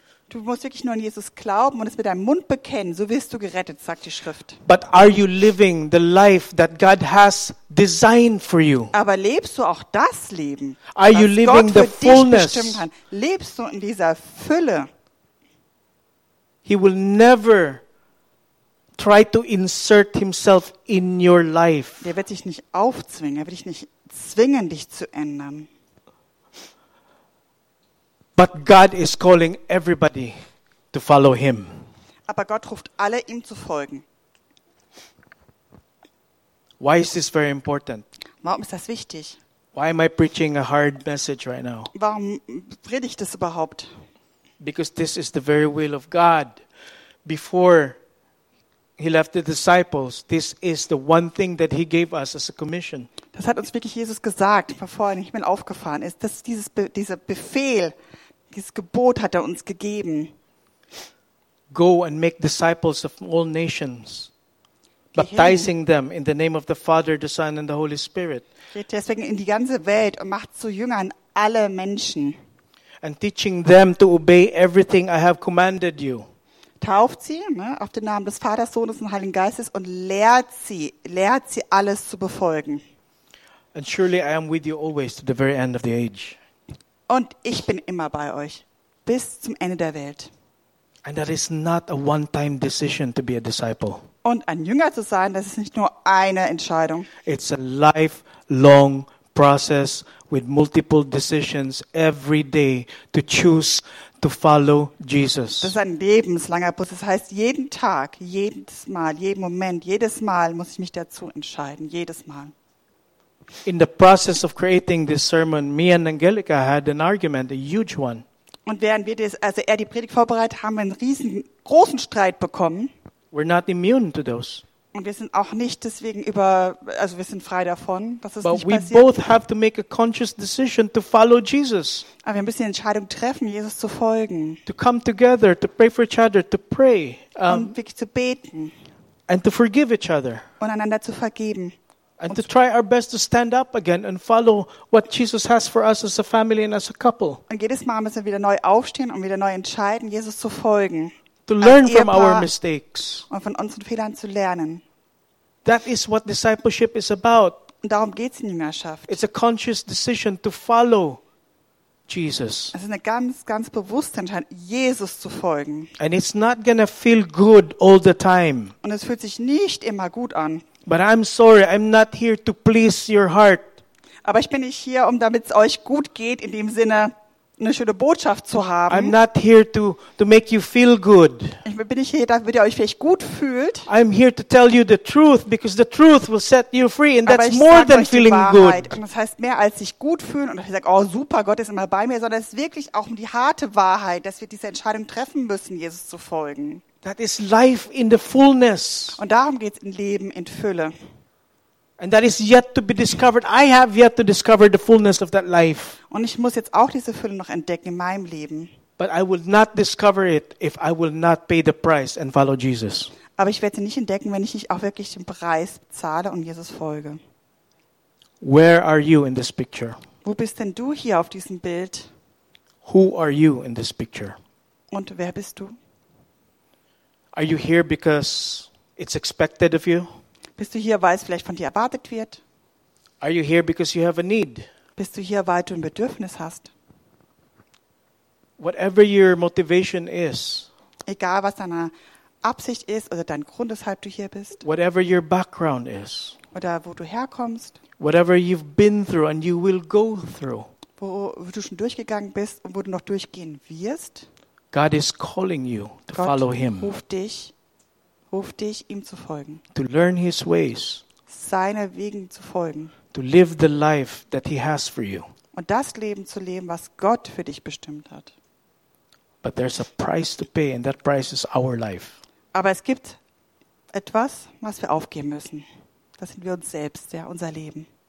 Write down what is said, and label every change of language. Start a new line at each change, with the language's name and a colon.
German: Du musst wirklich nur an Jesus glauben und es mit deinem Mund bekennen, so wirst du gerettet, sagt die Schrift.
English: But are you living the life that God has designed for you?
German: Aber lebst du auch das Leben?
English: Are you living the fullness?
German: Lebst du in dieser Fülle?
English: He will never try to insert himself in your life.
German: Er wird dich nicht aufzwingen, er wird dich nicht zwingen, dich zu ändern.
English: But God is calling everybody to follow him.
German: Aber Gott ruft alle, ihm zu folgen.
English: Why is this very important?
German: Warum ist das wichtig?
English: Why am I preaching a hard message right now?
German: Warum predigt das überhaupt?
English: Because this is the very will of God. Before he left the disciples, this is the one thing that he gave us as a commission.
German: Das hat uns wirklich Jesus gesagt, bevor er in den Himmel aufgefahren ist. Dass dieser Befehl, dieses Gebot hat er uns gegeben.
English: Go and make disciples of all nations. Baptizing them in the name of the Father, the Son and the Holy Spirit.
German: Geht deswegen in die ganze Welt und macht zu Jüngern alle Menschen.
English: And teaching them to obey everything I have commanded you.
German: Tauft sie, ne, auf den Namen des Vaters, Sohnes und Heiligen Geistes und lehrt sie alles zu befolgen.
English: And surely I am with you always to the very end of the age.
German: Und ich bin immer bei euch bis zum Ende der Welt.
English: And that is not a one-time decision to be a disciple.
German: Und ein Jünger zu sein, das ist nicht nur eine Entscheidung.
English: It's a lifelong process with multiple decisions every day to choose to follow Jesus.
German: Das ist ein lebenslanger Prozess. Das heißt, jeden Tag, jedes Mal, jeden Moment, jedes Mal muss ich mich dazu entscheiden. Jedes Mal.
English: In the process of creating this sermon, me and Angelica had an argument, a huge one.
German: Und während wir die Predigt vorbereitet haben, einen riesengroßen Streit bekommen.
English: We're not immune to those.
German: Und wir sind auch nicht deswegen wir sind frei davon, dass es
English: but
German: nicht
English: we
German: passiert.
English: Both have to make a conscious decision to follow Jesus.
German: Aber wir müssen die Entscheidung treffen, Jesus zu folgen.
English: To come together, to pray for each other, to pray.
German: Um wirklich zu beten.
English: And to forgive each other.
German: Und einander zu vergeben.
English: And to try our best to stand up again and follow what Jesus has for us as a family and as a couple.
German: Und jedes Mal müssen wir wieder neu aufstehen und wieder neu entscheiden, Jesus zu folgen.
English: To learn from our mistakes.
German: Und von unseren Fehlern zu lernen.
English: That is what discipleship is about.
German: Und darum geht's in Jüngerschaft.
English: It's a conscious decision to follow Jesus.
German: Es ist eine ganz, ganz bewusste Entscheidung, Jesus zu folgen.
English: And it's not gonna feel good all the time.
German: Und es fühlt sich nicht immer gut an.
English: But I'm sorry, I'm not here to please your heart.
German: Aber ich bin nicht hier, damit es euch gut geht, in dem Sinne. eine schöne Botschaft zu haben.
English: I'm not here to make you feel good.
German: Ich bin nicht hier, damit ihr euch vielleicht gut fühlt.
English: I'm here to tell you the truth, because the truth will set you free, and that's more than feeling good.
German: Und das heißt mehr als sich gut fühlen und ich sage, oh super, Gott ist immer bei mir, sondern es ist wirklich auch um die harte Wahrheit, dass wir diese Entscheidung treffen müssen, Jesus zu folgen.
English: That is life in the fullness.
German: Und darum geht's in Leben in Fülle.
English: And that is yet to be discovered. I have yet to discover the fullness of that life.
German: Und ich muss jetzt auch diese Fülle noch entdecken in meinem Leben.
English: But I will not discover it if I will not pay the price and follow Jesus.
German: Aber ich werde sie nicht entdecken, wenn ich nicht auch wirklich den Preis zahle und Jesus folge.
English: Where are you in this picture?
German: Wo bist denn du hier auf diesem Bild?
English: Who are you in this picture?
German: Und wer bist du?
English: Are you here because it's expected of you?
German: Bist du hier, weil es vielleicht von dir erwartet wird?
English: Are you here because you have a need?
German: Bist du hier, weil du ein Bedürfnis hast?
English: Whatever your motivation is.
German: Egal was deine Absicht ist oder dein Grund, weshalb du hier bist.
English: Whatever your background is.
German: Oder wo du herkommst.
English: Whatever you've been through and you will go through.
German: Wo du schon durchgegangen bist und wo du noch durchgehen wirst.
English: God is calling you to
German: Gott
English: follow him.
German: Ruft dich, ihm zu folgen.
English: To learn his ways.
German: Seine Wegen zu folgen.
English: To live the life that he has for you.
German: Und das Leben zu leben, was Gott für dich bestimmt hat.
English: But there's a price to pay, and that price is our life.
German: Aber es gibt etwas, was wir aufgeben müssen. Das sind wir uns selbst, ja, unser Leben.